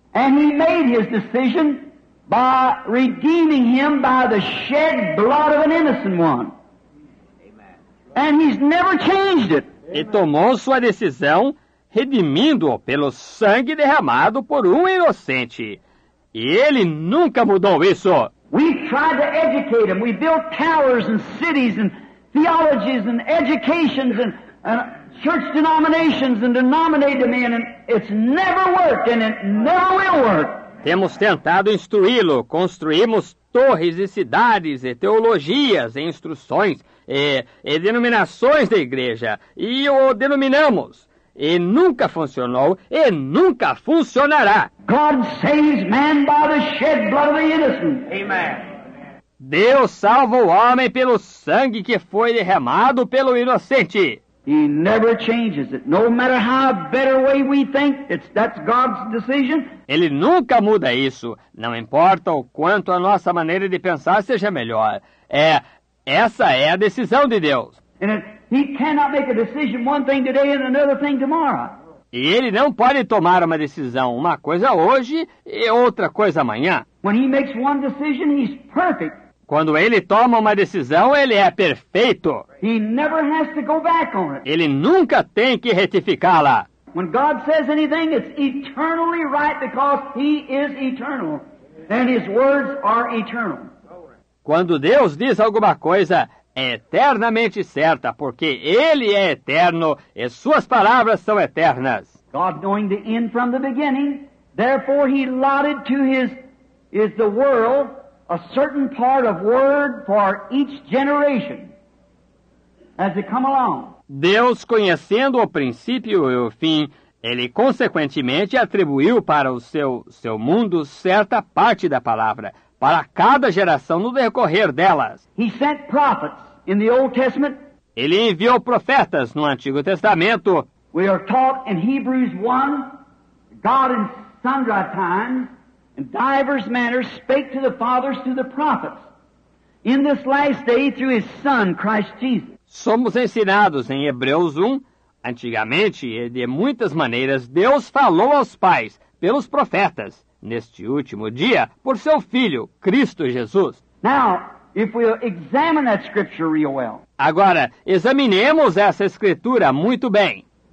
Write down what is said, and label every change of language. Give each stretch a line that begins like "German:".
English: And he made his decision by redeeming him by the shed blood of an innocent one. And he's never changed it.
Portuguese: E tomou sua decisão redimindo-o pelo sangue derramado por um inocente. E ele nunca mudou isso.
English: We tried to educate him. We built towers and cities and theologies and educations and church denominations and denominated him in, and it's never worked and it never will work.
Portuguese: Temos tentado instruí-lo. Construímos torres e cidades e teologias e instruções e denominações da igreja. E o denominamos. E nunca funcionou e nunca funcionará.
English: God saves man by the shed blood of the innocent. Amen.
Portuguese: Deus salva o homem pelo sangue que foi derramado pelo inocente.
English: He never changes it. No matter how better way we think, that's God's decision.
Portuguese: Ele nunca muda isso. Não importa o quanto a nossa maneira de pensar seja melhor. Essa é a decisão de Deus.
English: He cannot make a decision one thing today and another thing tomorrow.
Portuguese: E ele não pode tomar uma decisão, uma coisa hoje e outra coisa amanhã.
English: When he makes one decision, he's perfect.
Portuguese: Quando ele toma uma decisão, ele é perfeito.
English: He never has to go back on it.
Portuguese: Ele nunca tem que retificá-la.
English: When God says anything, it's eternally right because he is eternal and his words are eternal.
Portuguese: Quando Deus diz alguma coisa, é eternamente certa, porque ele é eterno e suas palavras são eternas.
English: God knowing the end from the beginning, therefore he allotted to his the world a certain part of word for each generation as they come along.
Portuguese: Deus, conhecendo o princípio e o fim, ele consequentemente atribuiu para o seu mundo certa parte da palavra para cada geração no decorrer delas.
English: He sent prophets in the Old Testament.
Portuguese: Ele enviou profetas no Antigo Testamento.
English: We are taught in Hebrews 1, God in sundry times, in divers manners, spake to the fathers through the prophets, in this last day through his Son, Christ Jesus.
Portuguese: Somos ensinados em Hebreus 1, antigamente e de muitas maneiras, Deus falou aos pais pelos profetas. Neste último dia, por seu Filho, Cristo Jesus.
English: Now, if we examine that scripture real well.
Portuguese: Agora, examinemos essa escritura muito bem.